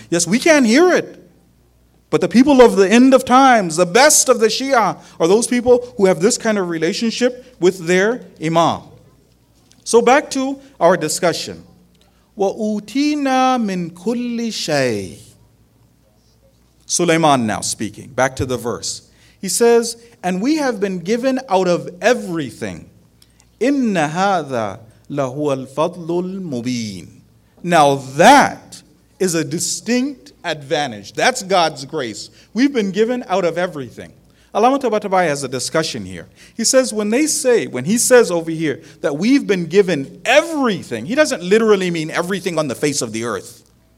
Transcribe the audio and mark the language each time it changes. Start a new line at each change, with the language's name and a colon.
English: Yes, we can't hear it. But the people of the end of times, the best of the Shia, are those people who have this kind of relationship with their Imam. So back to our discussion.
Arabic: وَأُوْتِينَا مِنْ كُلِّ شَيْءٍ
English: Sulaiman now speaking, back to the verse. He says, and we have been given out of everything.
Arabic: إِنَّ هَذَا لَهُوَ الْفَضْلُ الْمُبِينَ
English: Now that is a distinct advantage. That's God's grace. We've been given out of everything. Alama Tabatabai has a discussion here. He says, when he says over here that we've been given everything, he doesn't literally mean everything on the face of the earth.